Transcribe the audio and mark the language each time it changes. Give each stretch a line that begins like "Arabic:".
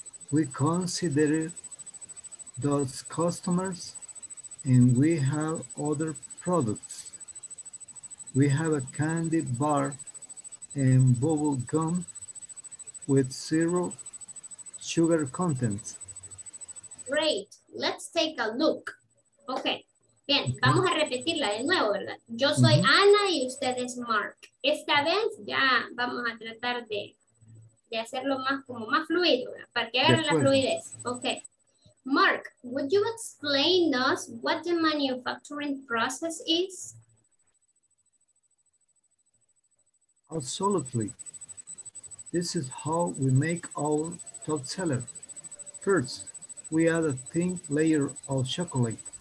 English: We consider those customers and we have other products. We have a candy bar and bubble gum with zero sugar content. Great, let's take a look.
Spanish: Okay, bien, vamos a repetirla de nuevo, ¿verdad? Yo soy Ana y usted es Mark. Esta vez ya vamos a tratar de hacerlo más, como más fluido, ¿verdad? Para que agarre la fluidez. Okay.
English: Mark, would you explain us what the manufacturing process is? Absolutely. This is how we make our top seller. First, we add a thin layer of chocolate.